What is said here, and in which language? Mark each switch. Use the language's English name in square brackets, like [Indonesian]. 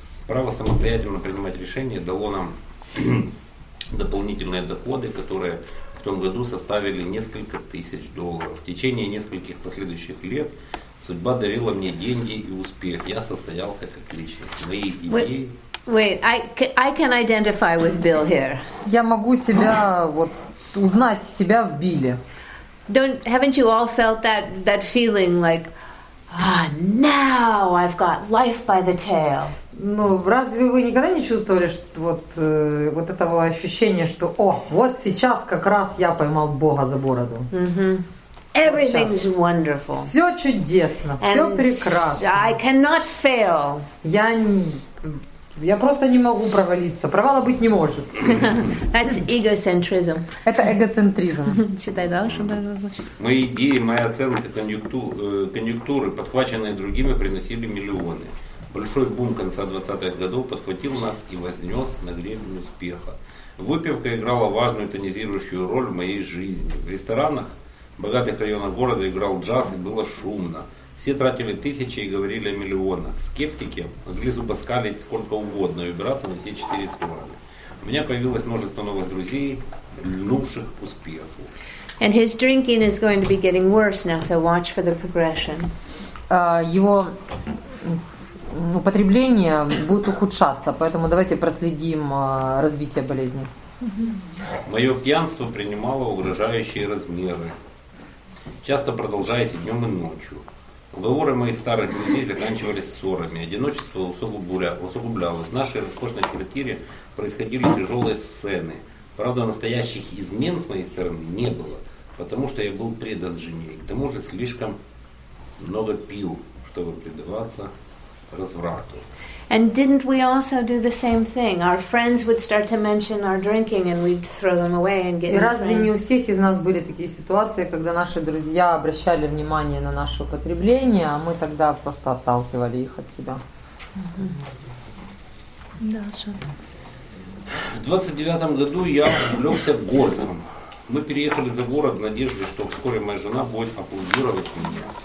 [Russian] Право самостоятельно принимать решения дало нам дополнительные доходы, которые в том году составили несколько тысяч долларов. В течение нескольких последующих лет судьба дарила мне деньги и успех. Я состоялся как личность. Мои идеи... [English] Wait, I can identify with Bill here. [Russian] Я могу себя, вот, узнать себя в Билле. [English] Haven't you all felt that feeling like, now I've got life by the tail? [Russian] Ну, разве вы никогда не чувствовали, что вот этого ощущения, что, о, вот сейчас как раз я поймал Бога за бороду? [English] Mm-hmm. Everything's wonderful. [Russian] Все чудесно, все прекрасно. [English] I cannot fail. [Russian] Я Я просто не могу провалиться. Провала быть не может. [English] That's egocentrism. [Russian] Это эгоцентризм. Читай дальше, пожалуйста. Мои идеи, моя оценка конъюнктуры, подхваченные другими, приносили миллионы. Большой бум конца 20-х годов подхватил нас и вознес на гребень успеха. Выпивка играла важную тонизирующую роль в моей жизни. В ресторанах богатых районов города играл джаз, и было шумно. Все тратили тысячи и говорили о миллионах. Скептики могли зубоскалить сколько угодно и убираться на все четыре стороны. У меня появилось множество новых друзей, льнувших к успеху. [English] And his drinking is going to be getting worse now, so watch for the progression. [Russian] Его употребление будет ухудшаться, поэтому давайте проследим развитие болезни. Мое пьянство принимало угрожающие размеры, часто продолжаясь и днем, и ночью. Уговоры моих старых друзей заканчивались ссорами. Одиночество усугублялось. В нашей роскошной квартире происходили тяжелые сцены. Правда, настоящих измен с моей стороны не было, потому что я был предан жене. К тому же слишком много пил, чтобы предаваться разврату. [English] And didn't we also do the same thing? Our friends would start to mention our drinking and we'd throw them away and get [Russian] И разве не у всех из нас были такие ситуации, когда наши друзья обращали внимание на наше употребление, а мы тогда просто отталкивали их от себя? Дальше. В 29-м году я увлекся гольфом. Мы переехали за город в надежде, что вскоре моя жена будет аплодировать мне.